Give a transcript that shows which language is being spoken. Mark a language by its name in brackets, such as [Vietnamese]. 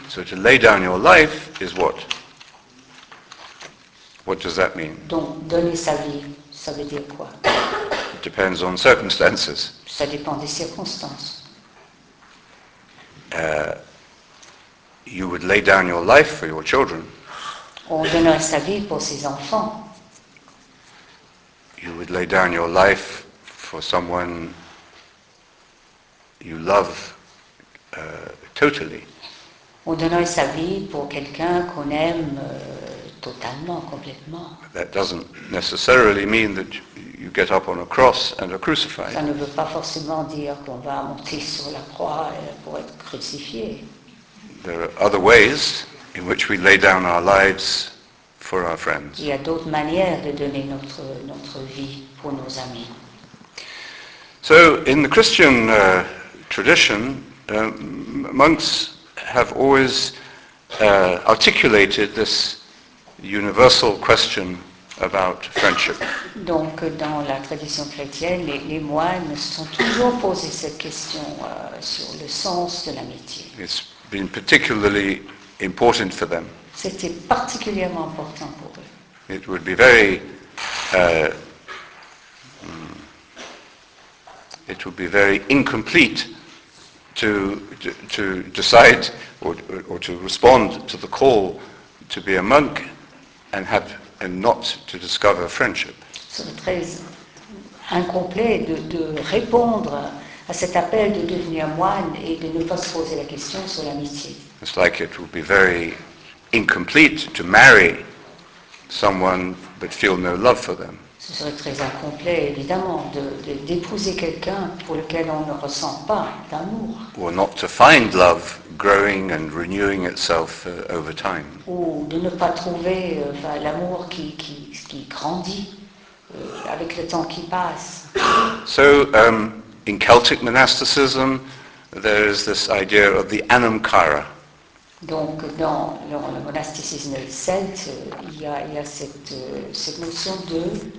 [English] So to lay down your life is what? What does that mean? [French] Donc, donner sa vie, ça veut dire quoi? [English] It depends on circumstances. [French] Ça dépend des circonstances. [English] You would lay down your life for your children. [French] On donnerait sa vie pour ses enfants. [English] You would lay down your life for someone you love totally. [French] On donnerait sa vie pour quelqu'un qu'on aime totalement, complètement. [English] That doesn't necessarily mean that you get up on a cross and are crucified. [French] Ça ne veut pas forcément dire qu'on va monter sur la croix pour être crucifié. [English] There are other ways in which we lay down our lives for our friends. [French] Il y a d'autres manières de donner notre vie pour nos amis. [English] So, in the Christian tradition, monks have always articulated this universal question about friendship. [French] Donc, dans la tradition chrétienne, les moines se sont toujours posé cette question sur le sens de l'amitié. [English] It's been particularly important for them. [French] C'était particulièrement important pour eux. [English] It would be very, it would be very incomplete to decide or to respond to the call to be a monk and not to discover friendship. [French] Ce serait très incomplet de répondre à cet appel de devenir moine et de ne pas se poser la question sur l'amitié. [English] It's like it would be very incomplete to marry someone but feel no love for them. [French] Ce serait très incomplet, évidemment, d'épouser quelqu'un pour lequel on ne ressent pas d'amour. [English] Or not to find love growing and renewing itself over time. [French] Ou de ne pas trouver l'amour qui grandit avec le temps qui passe. [English] So, in Celtic monasticism, there is this idea of the anamkara. [French] Donc, dans le monasticisme celte, il y a cette notion de...